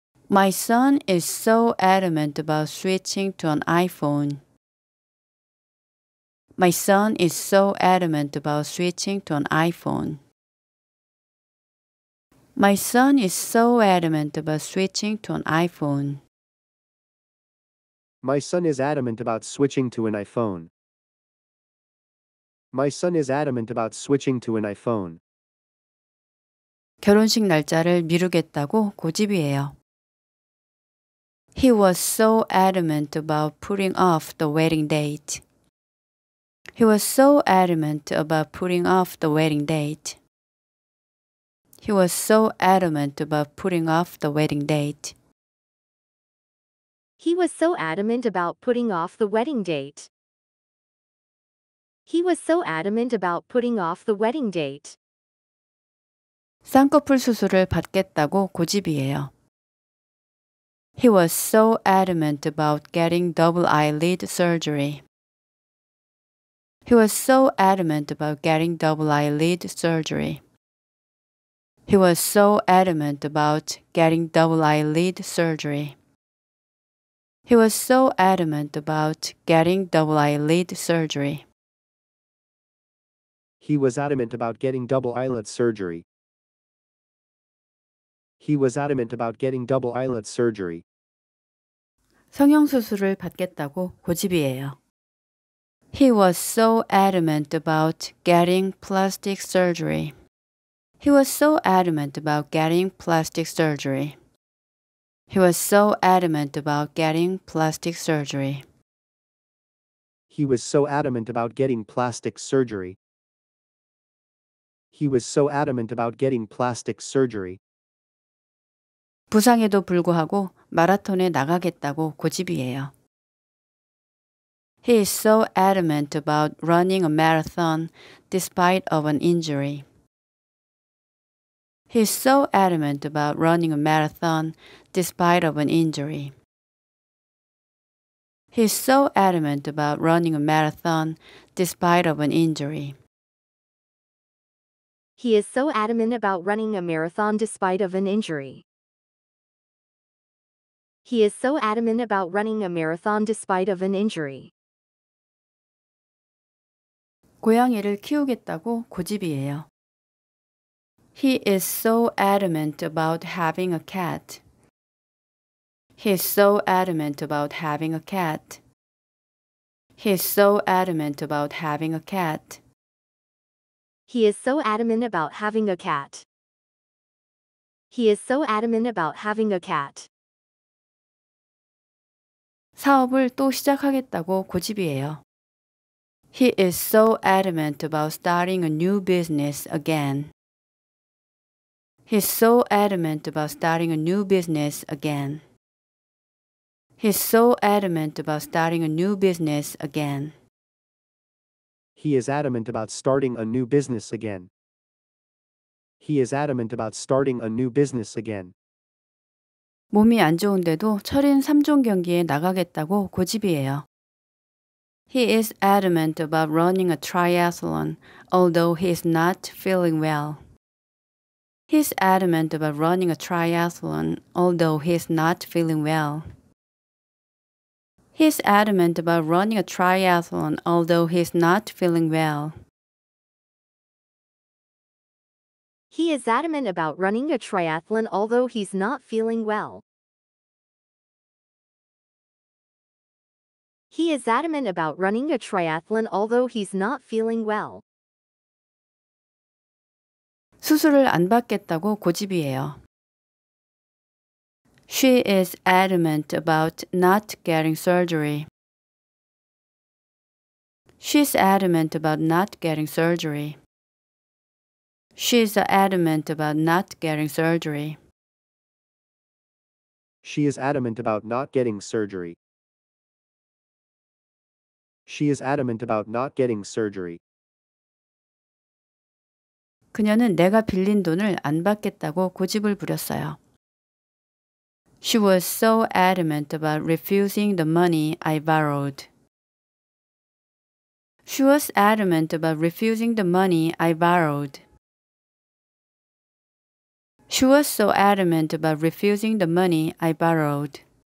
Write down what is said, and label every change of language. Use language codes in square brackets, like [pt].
[en] My son is so adamant about switching to an iPhone. My son is so adamant about switching to an iPhone. My son is so adamant about switching to an iPhone. My son is adamant about switching to an iPhone. My son is adamant about switching to an iPhone. [ko] 결혼식 날짜를 미루겠다고 고집이에요. [en] He was so adamant about putting off the wedding date. He was so adamant about putting off the wedding date. He was so adamant about putting off the wedding date. He was so adamant about putting off the wedding date. He was so adamant about putting off the wedding date. [ko] 쌍꺼풀 수술을 받겠다고 고집이에요. [en] He was so adamant about getting double eyelid surgery. He was so adamant about getting double eyelid surgery. He was so adamant about getting double eyelid surgery. He was so adamant about getting double eyelid surgery. He was adamant about getting double eyelid surgery. He was adamant about getting double eyelid surgery. [ko] 성형수술을 받겠다고 고집이에요. [en] He was so adamant about getting plastic surgery. He was so adamant about getting plastic surgery. He was so adamant about getting plastic surgery. He was so adamant about getting plastic surgery. He was so adamant about getting plastic surgery. [ko] 부상에도 불구하고 마라톤에 나가겠다고 고집이에요. [en] He is so adamant about running a marathon despite of an injury. He is so adamant about running a marathon despite of an injury. He is so adamant about running a marathon despite of an injury. He is so adamant about running a marathon despite of an injury. He is so adamant about running a marathon despite of an injury. [ko] 고양이를 키우겠다고 고집이에요. [en] He is so adamant about having a cat. He is so adamant about having a cat. He is so adamant about having a cat. He is so adamant about having a cat. He is so adamant about having a cat. [ko] 사업을 또 시작하겠다고 고집이에요. [en] He is so adamant about starting a new business again. He is so adamant about starting a new business again. He is so adamant about starting a new business again. He is adamant about starting a new business again. He is adamant about starting a new business again. [ko] 몸이 안 좋은데도 철인 3종 경기에 나가겠다고 고집이에요. [en] He is adamant about running a triathlon, although he is not feeling well. He is adamant about running a triathlon, although he is not feeling well. He is adamant about running a triathlon, although he is not feeling well. He is adamant about running a triathlon, although he's not feeling well. He is adamant about running a triathlon, although he's not feeling well. [ko] 수술을 안 받겠다고 고집이에요. [en] She is adamant about not getting surgery. She is adamant about not getting surgery. She is adamant about not getting surgery. She is adamant about not getting surgery. She is adamant about not getting surgery. [ko] 그녀는 내가 빌린 돈을 안 받겠다고 고집을 부렸어요. [en] She was so adamant about refusing the money I borrowed. She was adamant about refusing the money I borrowed. She was so adamant about refusing the money I borrowed.